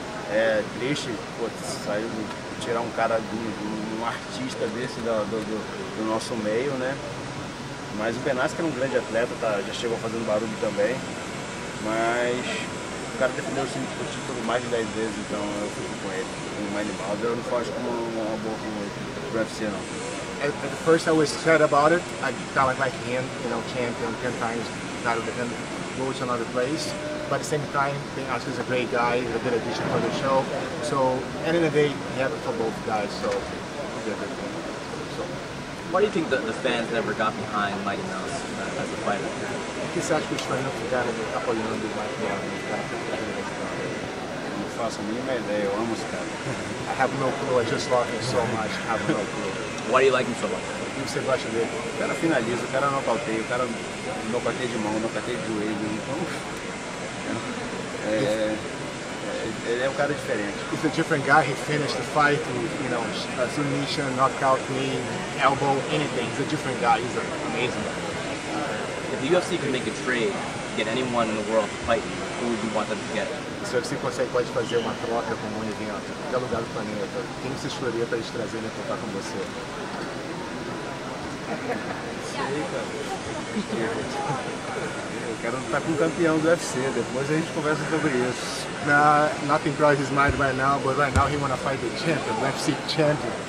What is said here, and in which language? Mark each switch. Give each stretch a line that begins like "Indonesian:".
Portuguese: É triste, pô, sair de tirar um cara de um artista desse do nosso meio, né? Mas o Ben Askren é um grande atleta, tá, já chegou fazendo barulho também. Mas o cara defendeu o título mais de 10 vezes, então eu fico com ele. Com o Manny Mouse, eu não faço como uma boa com o UFC, não.
English: At first I was sad about it. I felt like my hand, you know, champion 10 times, title defender, go to another place. But at the same time, Ben Askren is a great guy, he's a good addition for the show. So, end of the day, he had it for both guys, so he did a good thing. So, why do you think that the fans never got behind Mighty Mouse as a fighter? Because actually, he's trying to get him a couple of years with Mighty Mouse. I don't have a clue, I have no clue, I just love him so much, I have no clue. Why do you like him so much?
Portuguese: Você gosta dele? O cara finaliza, o cara nocauteia, o cara nocauteia de mão, nocauteia de joelho, então... Ele é um cara diferente.
English: He's a different guy. He finished the fight, you know, a submission, knockout, knee, elbow, anything. He's a different guy. He's amazing. If the UFC could make a trade, get anyone in the world to fight you, who would you want them to get?
Portuguese: Se você consegue, pode fazer uma troca com um evento, qualquer lugar do planeta. Quem você escolheria para eles trazerem para lutar com você? É Eu quero estar com o campeão do UFC, depois a gente conversa sobre isso.
English: Nah, nothing crosses his mind right now, but right now he wanna fight the champion, the UFC champion.